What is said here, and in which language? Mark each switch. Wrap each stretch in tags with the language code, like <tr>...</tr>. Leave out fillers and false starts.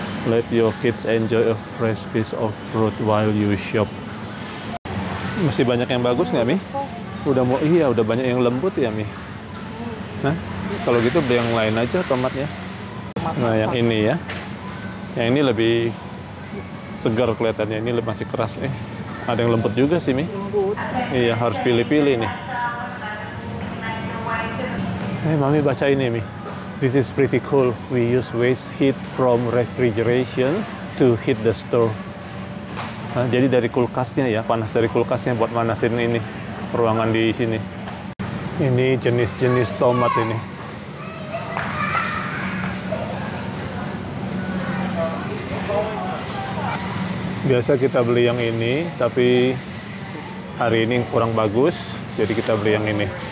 <en>Let your kids enjoy a fresh piece of fruit while you shop.</en> <id>Masih banyak yang bagus nggak, Mi? Udah mau, iya, udah banyak yang lembut ya, Mi. Nah, kalau gitu beli yang lain aja tomatnya. Nah, yang ini ya. Yang ini lebih segar kelihatannya. Ini masih keras nih. Ada yang lembut juga sih, Mi. Lembut. Iya, harus pilih-pilih nih.</id> <en>Hey,</en> <id>Mami baca ini, Mi.</id> <en>This is pretty cool. We use waste heat from refrigeration to heat the stove.</en> <id>Nah, jadi dari kulkasnya ya, panas dari kulkasnya buat manasin ini, ruangan di sini. Ini jenis-jenis tomat ini. Biasa kita beli yang ini, tapi hari ini kurang bagus, jadi kita beli yang ini.</id>